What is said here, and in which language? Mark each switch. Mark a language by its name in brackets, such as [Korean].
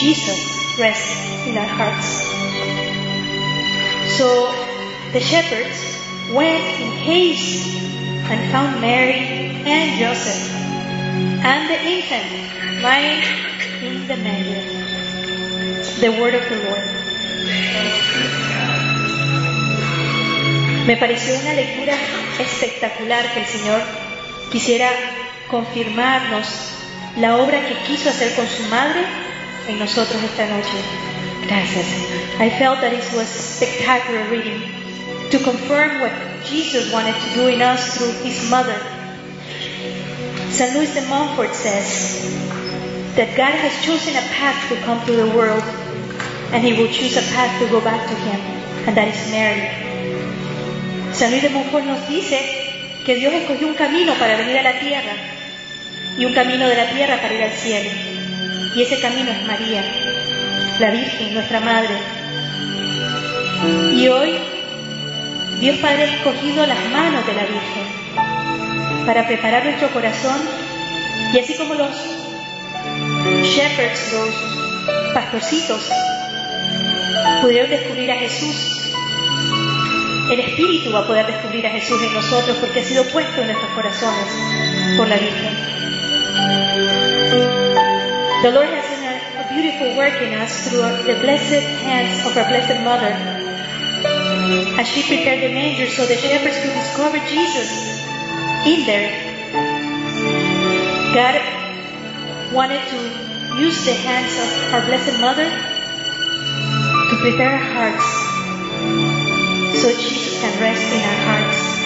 [English] Jesus rests in our hearts. So the shepherds went in haste and found Mary and Joseph and the infant lying in the manger. The word of the Lord. [Spanish] Me pareció una lectura espectacular que el Señor quisiera confirmarnos la obra que quiso hacer con su madre en nosotros esta noche. Gracias. [English] I felt that it was a spectacular reading to confirm what Jesus wanted to do in us through His mother. St. Louis de Montfort says that God has chosen a path to come to the world, and He will choose a path to go back to Him, and that is Mary. [Spanish] San Luis de Montfort nos dice que Dios escogió un camino para venir a la tierra y un camino de la tierra para ir al cielo. Y ese camino es María, la Virgen, nuestra Madre. Y hoy, Dios Padre ha escogido las manos de la Virgen para preparar nuestro corazón. Y así como los shepherds, los pastorcitos, pudieron descubrir a Jesús, el Espíritu va a poder descubrir a Jesús en nosotros porque ha sido puesto en nuestros corazones por la Virgen. [English] The Lord has done a beautiful work in us through the blessed hands of our blessed mother as she prepared the manger so the shepherds could discover Jesus in there. God wanted to use the hands of our blessed mother to prepare our hearts so Jesus can rest in our hearts.